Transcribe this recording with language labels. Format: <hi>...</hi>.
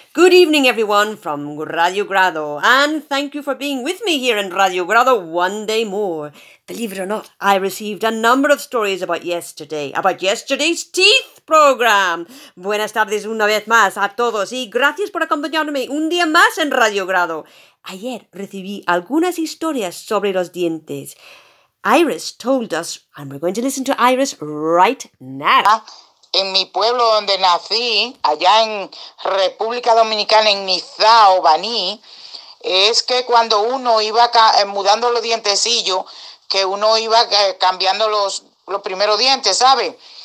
<en>Good evening, everyone, from Radio Grado, and thank you for being with me here in Radio Grado one day more. Believe it or not, I received a number of stories about yesterday's teeth program.</en> <es>Buenas tardes una vez más a todos y gracias por acompañarme un día más en Radio Grado. Ayer recibí algunas historias sobre los dientes.</es> <en>Iris told us, and we're going to listen to Iris right now.</en> <es>En mi pueblo donde nací, allá en República Dominicana, en Nizao, Baní, es que cuando uno iba mudando los dientecillos, que uno iba cambiando los primeros dientes, ¿sabe?</es>